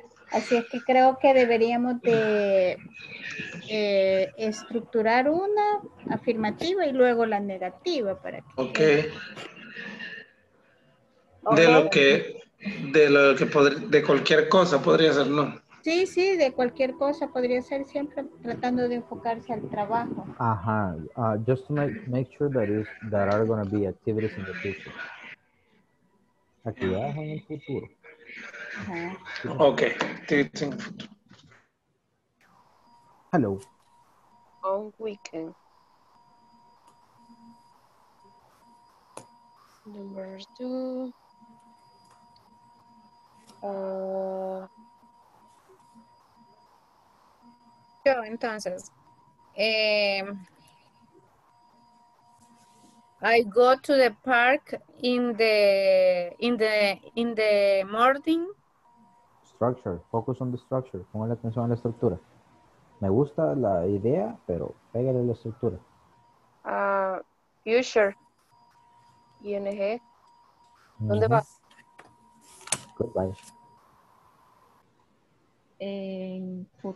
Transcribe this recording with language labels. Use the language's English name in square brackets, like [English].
[Spanish] Así es que creo que deberíamos de estructurar una afirmativa y luego la negativa para que. [English] Ok. Okay. [Spanish] De cualquier cosa podría ser, ¿no? Sí, de cualquier cosa podría ser, siempre tratando de enfocarse al trabajo. [English] Ajá, just to make sure that are going to be activities in the future. [Spanish] Actividades en el futuro. Ajá. Ok, activities en el futuro. [English] Hello. On weekend. Number 2. [Spanish] Yo, entonces, [English] I go to the park in the morning. Structure, focus on the structure, [Spanish] ponga la atención a la estructura. Me gusta la idea, pero pégale la estructura. Future, ING, ¿dónde vas? [English] Goodbye.